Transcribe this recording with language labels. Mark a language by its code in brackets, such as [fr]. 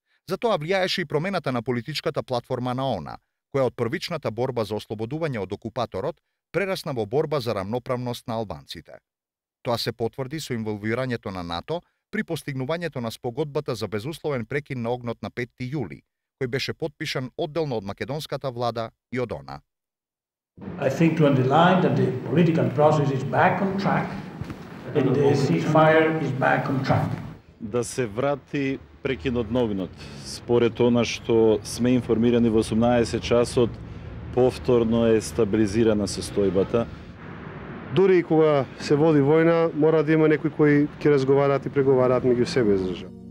[mk] Затоа влијаеше и промената на политичката платформа на ОНА, која од првичната борба за ослободување од окупаторот прерасна во борба за рамноправност на албанците. Тоа се потврди со инволвирањето на НАТО при постигнувањето на спогодбата за безусловен прекин на огнот на 5. јули, кој беше подпишан одделно од македонската влада и од ОНА. [en] I think to underline that the political process is back on track and the ceasefire is back on track. [mk] Да се врати прекинот на огнот. Според она што сме информирани во 18 часот, повторно е стабилизирана состојбата. Дури и кога се води војна, мора да има некои кои ќе разговарат и преговарат меѓу себе за жа.